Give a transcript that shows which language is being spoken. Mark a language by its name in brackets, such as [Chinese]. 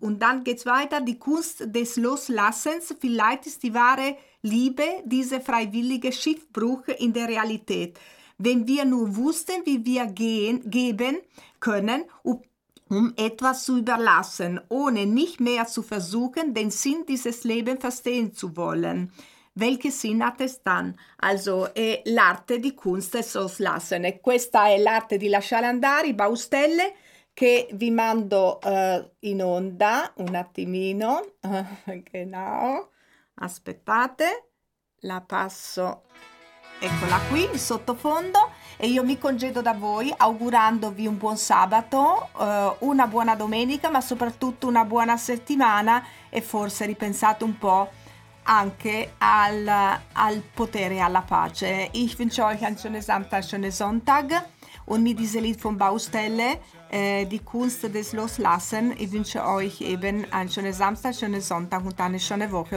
[German] Und dann geht's weiter, die Kunst des Loslassens, vielleicht ist die wahre Liebe, diese freiwillige Schiffbruch in der Realität. Wenn wir nur wussten, wie wir geben können, um etwas zu überlassen, ohne nicht mehr zu versuchen, den Sinn dieses Lebens verstehen zu wollen. Welchen Sinn hat es dann? Also, [Italian] è l'arte di [German] Kunst des Loslassens. [Italian] Questa è l'arte di lasciare andare, i Baustelle, che vi mando in onda un attimino, genau, aspettate, la passo, eccola qui, in sottofondo, e io mi congedo da voi augurandovi un buon sabato, una buona domenica, ma soprattutto una buona settimana, e forse ripensate un po' anche al potere e alla pace. [German] Ich wünsche euch einen schönen Samstag, einen schönen Sonntag. Und mit diesem Lied von Baustelle, die Kunst des Loslassen, ich wünsche euch eben einen schönen Samstag, einen schönen Sonntag und eine schöne Woche.